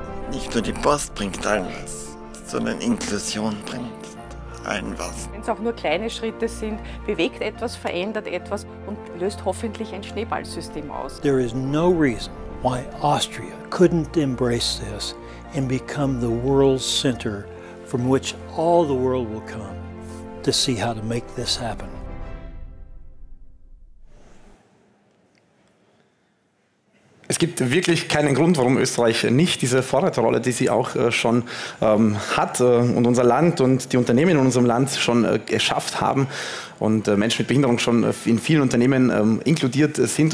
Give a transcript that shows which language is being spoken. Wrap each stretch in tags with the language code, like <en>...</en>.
<de>Nicht nur die Post bringt alles, sondern Inklusion bringt. Wenn es auch nur kleine Schritte sind, bewegt etwas, verändert etwas und löst hoffentlich ein Schneeballsystem aus.</de> <en>There is no reason why Austria couldn't embrace this and become the world's center from which all the world will come to see how to make this happen.</en> <de>Es gibt wirklich keinen Grund, warum Österreich nicht diese Vorreiterrolle, die sie auch schon hat und unser Land und die Unternehmen in unserem Land schon geschafft haben, und Menschen mit Behinderung schon in vielen Unternehmen inkludiert sind.</de>